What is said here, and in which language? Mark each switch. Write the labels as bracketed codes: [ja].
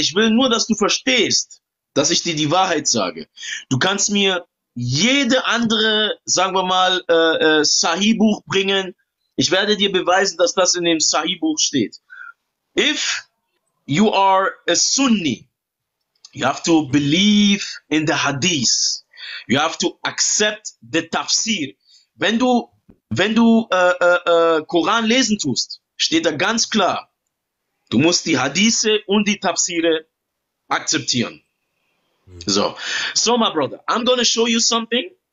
[de] Ich will nur, dass du verstehst, dass ich dir die Wahrheit sage. Du kannst mir jede andere, sagen wir mal, Sahih-Buch bringen. Ich werde dir beweisen, dass das in dem Sahih-Buch steht. [en] If you are a Sunni, you have to believe in the Hadith. You have to accept the Tafsir. [de] Wenn du Koran lesen tust, steht da ganz klar, du musst die Hadithe und die Tafsire akzeptieren. [en] So, my brother, I'm gonna show you something.